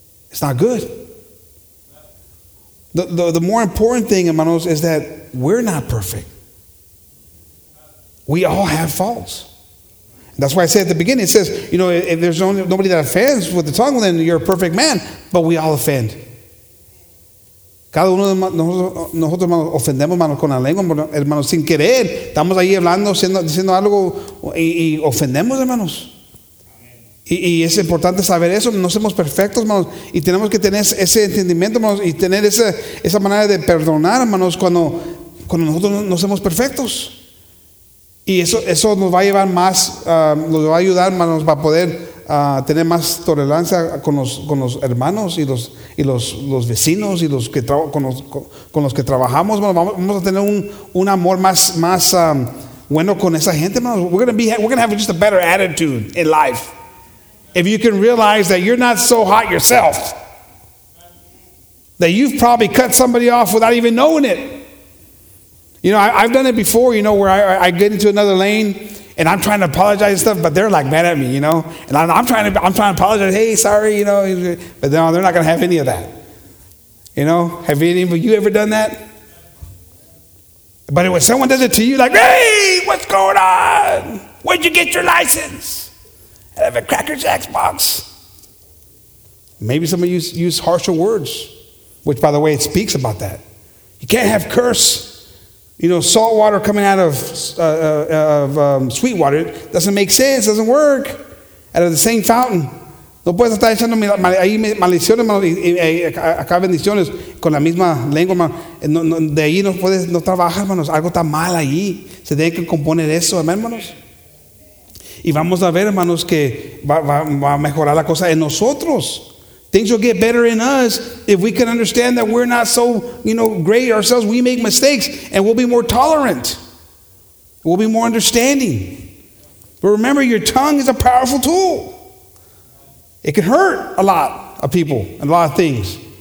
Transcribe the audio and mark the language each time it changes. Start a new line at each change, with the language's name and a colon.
English: It's not good. The more important thing, hermanos, is that we're not perfect. We all have faults. That's why I said at the beginning, it says, you know, if there's nobody that offends with the tongue, then you're a perfect man. But we all offend.
Spanish: Cada uno de nosotros ofendemos, hermanos, con la lengua, hermanos, sin querer. Estamos ahí hablando, diciendo algo, y ofendemos, hermanos. Y es importante saber eso. No somos perfectos, hermanos. Y tenemos que tener ese entendimiento, hermanos, y tener esa manera de perdonar, hermanos, cuando nosotros no somos perfectos. Y eso nos va a llevar más, nos va a ayudar, hermanos, para poder tener más tolerancia con los hermanos y los vecinos y los que con los que trabajamos, hermanos. Vamos a tener un amor más bueno con esa gente, hermanos.
English: We're gonna have just a better attitude in life if you can realize that you're not so hot yourself, that you've probably cut somebody off without even knowing it. You know, I've done it before, you know, where I get into another lane and I'm trying to apologize and stuff, but they're like mad at me, you know. And I'm trying to apologize, hey, sorry, you know. But no, they're not going to have any of that. You know, have any of you ever done that? But when someone does it to you, like, hey, what's going on? Where'd you get your license? I have a Cracker Jacks box. Maybe some of you use harsher words, which, by the way, it speaks about that. You can't have curse. You know, salt water coming out of sweet water doesn't make sense, doesn't work. Out of the same fountain.
Spanish: No puedes estar echando ahí maldiciones, hermano, y acá bendiciones con la misma lengua, hermano. No, de ahí no puedes, no trabajar, hermanos. Algo está mal ahí. Se tiene que componer eso, hermanos. Y vamos a ver, hermanos, que va a mejorar la cosa en nosotros.
English: Things will get better in us if we can understand that we're not so, you know, great ourselves. We make mistakes, and we'll be more tolerant. We'll be more understanding. But remember, your tongue is a powerful tool. It can hurt a lot of people and a lot of things.